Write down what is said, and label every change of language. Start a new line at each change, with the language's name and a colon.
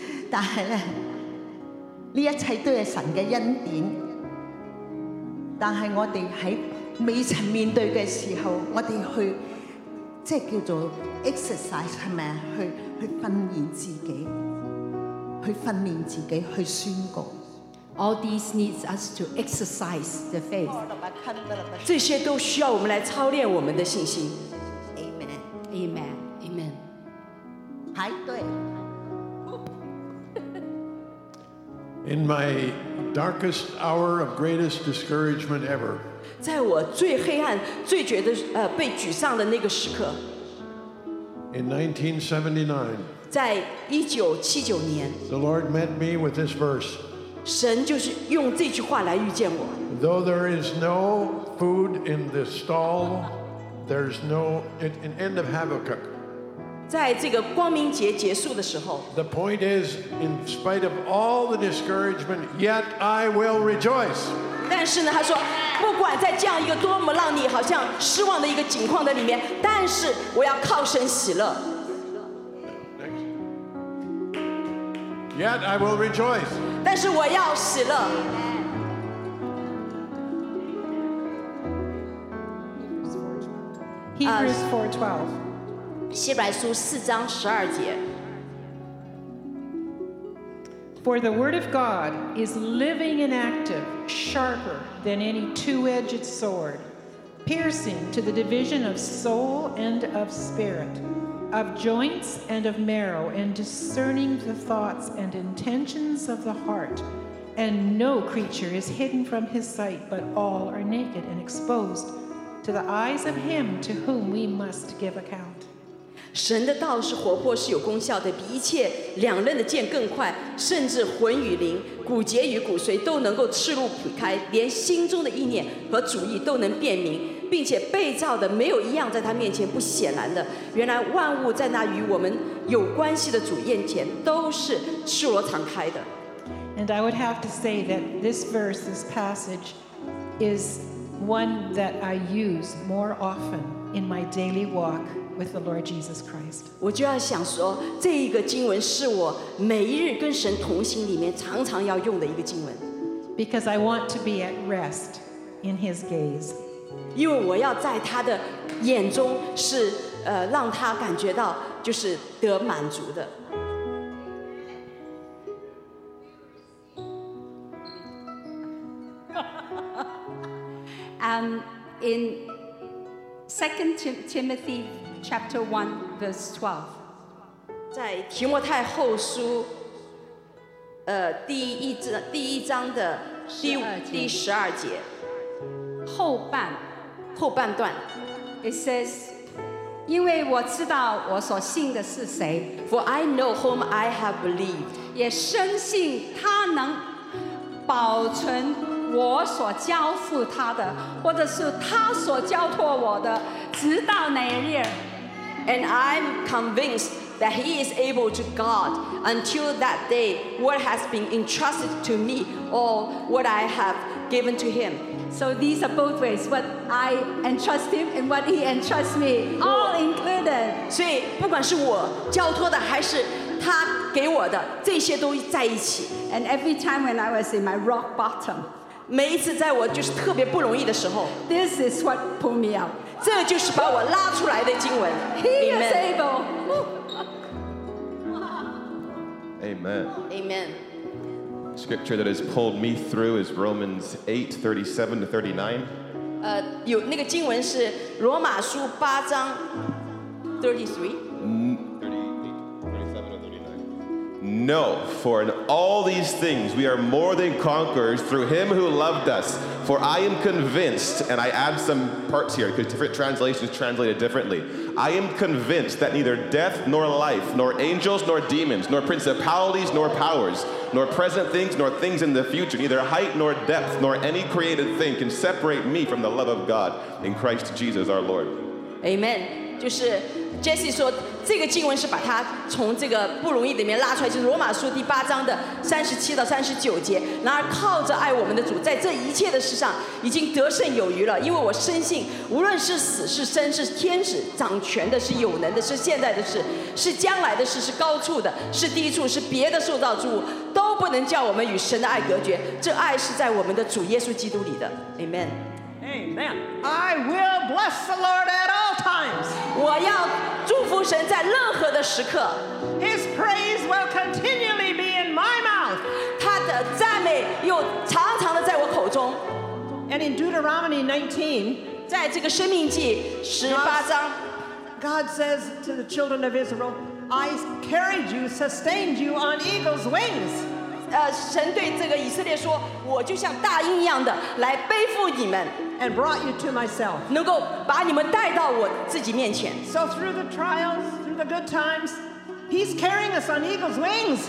Chinese: 但是呢，这一切都是神的恩典。但是我们在未曾面对的时候，我们去，即是叫做 exercise， 是不是？去训练自己，去训练自己，去宣告。
English: All these needs us to exercise the faith.
Chinese: 这些都需要我们来操练我们的信心。
English: Amen. Amen. Amen.
Chinese: 排队。
English: In my darkest hour of greatest discouragement ever.
Chinese: 在我最黑暗、最觉得被沮丧的那个时刻。
English: In 1979.
Chinese: 在1979年。
English: The Lord met me with this verse.
Chinese: 神就是用这句话来遇见我。
English: Though there is no food in the stall, there's no in end of Habakkuk.
Chinese: 在这个光明节结束的时候。
English: The point is, in spite of all the discouragement, yet I will rejoice.
Chinese: 但是呢，他说，不管在这样一个多么让你好像失望的一个境况的里面，但是我要靠神喜乐。
English: Yet I will rejoice.
Chinese: 但是我要喜乐。
English: Hebrews 4:12.
Chinese: 希伯来书四章十二节。
English: For the word of God is living and active, sharper than any two-edged sword, piercing to the division of soul and of spirit. Of joints and of marrow, and discerning the thoughts and intentions of the heart. And no creature is hidden from his sight, but all are naked and exposed to the eyes of him to whom we must give account.
Chinese: 神的道是活泼，是有功效的，比一切两刃的剑更快，甚至魂与灵、骨节与骨髓都能够刺入劈开，连心中的意念和主意都能辨明。并且被造的没有一样在他面前不显然的。原来万物在那与我们有关系的主眼前都是赤裸敞开的。
English: And I would have to say that this verse, this passage, is one that I use more often in my daily walk with the Lord Jesus Christ.
Chinese: 我就要想说，这一个经文是我每一日跟神同行里面常常要用的一个经文。
English: Because I want to be at rest in His gaze.
Chinese: 因为我要在他的眼中是让他感觉到就是得满足的。
English: In 2 Timothy chapter 1 verse 12,
Chinese: 在提摩太后书第一章的第十二节后半段 ，
English: It says，
Chinese: 因为我知道我所信的是谁
English: ，For I know whom I have believed，
Chinese: 也深信他能保存我所交付他的，或者是他所交托我的，直到那日。
English: And I'm convinced that he is able to guard until that day what has been entrusted to me or what I have given to him. So these are both ways, what I entrust him and what he entrusts me, all included.
Chinese: 所以不管是我交托的还是他给我的，这些都在一起。
English: And every time when I was in my rock bottom,
Chinese: 每一次在我就是特别不容易的时候，
English: this is what pulled me out.
Chinese: 这就是把我拉出来的经文。
English: He is able. Amen. Amen. Scripture that has pulled me through is Romans 8:37-39.
Chinese: 有那个经文是罗马书八章
English: 37 or 39. No, for in all these things we are more than conquerors through him who loved us. For I am convinced, and I add some parts here because different translations translate it differently. I am convinced that neither death nor life, nor angels nor demons, nor principalities nor powers, nor present things nor things in the future, neither height nor depth nor any created thing can separate me from the love of God in Christ Jesus our Lord. Amen.
Chinese: 就是 Jesse 说这个经文是把它从这个布容易里面拉出来，就是罗马书第八章的37到39节。然而靠着爱我们的主，在这一切的事上已经得胜有余了。因为我深信，无论是死是生，是天使掌权的，是有能的，是现在的，是将来的，是高处的，是低处，是别的受造之物，都不能叫我们与神的爱隔绝。这爱是在我们的主耶稣基督里的。Amen.
English: Amen. I will bless the Lord at all times.
Chinese: 我要祝福神在任何的时刻。
English: His praise will continually be in my mouth.
Chinese: 他的赞美又常常的在我口中。
English: And in Deuteronomy 19,
Chinese: 在这个申命记18章,
English: God says to the children of Israel, I carried you, sustained you on eagle's wings.
Chinese: 神对这个以色列说，我就像大鹰一样的来背负你们。
English: And brought you to myself.
Chinese: 能够把你们带到我自己面前。
English: So through the trials, through the good times, He's carrying us on eagle's wings.